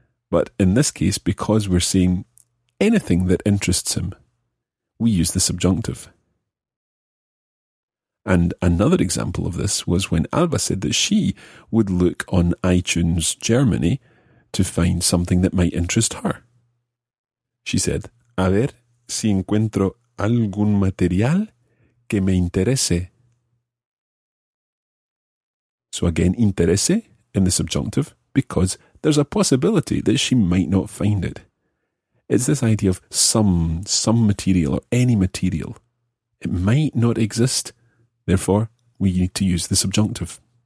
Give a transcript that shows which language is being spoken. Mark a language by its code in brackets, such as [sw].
[en] But in this case, because we're saying anything that interests him, we use the subjunctive. And another example of this was when Alba said that she would look on iTunes Germany to find something that might interest her. She said, [es] a ver si encuentro algún material que me interese. [en] So again, interese in the subjunctive, because there's a possibility that she might not find it. It's this idea of some material or any material. It might not exist. Therefore, we need to use the subjunctive.